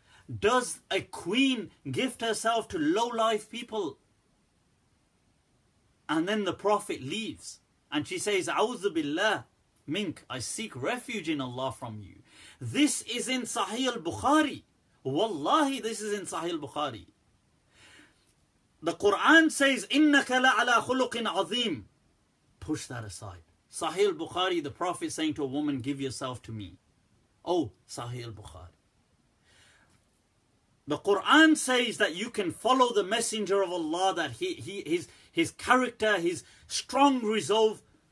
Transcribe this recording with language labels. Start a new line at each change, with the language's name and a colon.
English: Does a queen gift herself to low-life people? And then the Prophet leaves. And she says,
Arabic: A'udhu billah mink,
English: I seek refuge in Allah from you. This is in Sahih al-Bukhari. Wallahi, this is in Sahih al-Bukhari. The Quran says,
Arabic: إِنَّكَ لَعَلَىٰ خُلُقٍ عَظِيمٍ.
English: Push that aside. Sahih al-Bukhari, the Prophet saying to a woman, give yourself to me. Oh, Sahih al-Bukhari. The Quran says that you can follow the Messenger of Allah, that his character, his strong resolve.